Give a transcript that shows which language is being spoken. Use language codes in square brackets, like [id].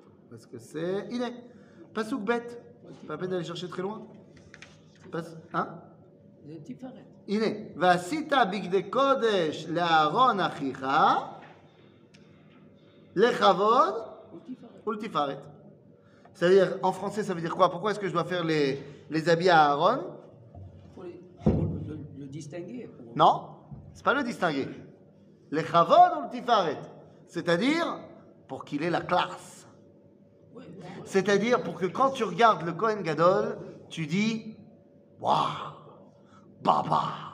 [fr] Parce que c'est... Il est passouk bet. Pas la peine d'aller chercher très loin. Hein ? [he] הנה, ועשית בגדי קודש לאהרון אחיך לכבוד ולתפארת. [fr] C'est-à-dire, en français, ça veut dire quoi? Pourquoi est-ce que je dois faire les habits à Aaron? Pour le distinguer. Non, c'est pas le distinguer. [he] Lechavod ultifaret. [fr] C'est-à-dire, pour qu'il ait la classe. C'est-à-dire, pour que quand tu regardes le Kohen Gadol, tu dis, waouh, baba.